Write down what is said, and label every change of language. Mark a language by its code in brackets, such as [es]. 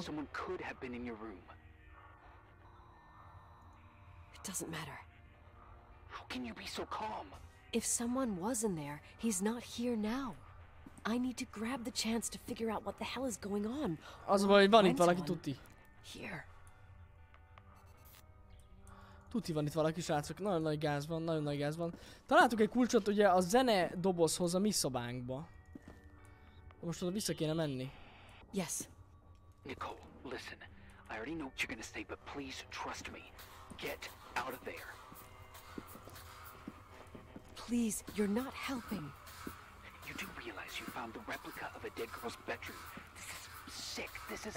[en] Someone could have been in your room. Doesn't matter. How can you be so calm? If someone was in there, he's not here now. I need to grab the chance to figure out what the hell is going on. [hu] Az a baj, van itt valaki, tuti. [en] Here. [hu] Tuti, van itt valaki, srácok. Nagyon nagy gáz van, nagyon nagy gáz van. Találtuk egy kulcsot ugye a zene dobozhoz a mi szobánkba. Most oda vissza kéne menni. [en] Yes. Nicole, listen. I already know what you're gonna say, but please trust me. Get out of there. Please, you're not helping. You do realize you found the replica of a dead girl's bedroom. This is sick. This is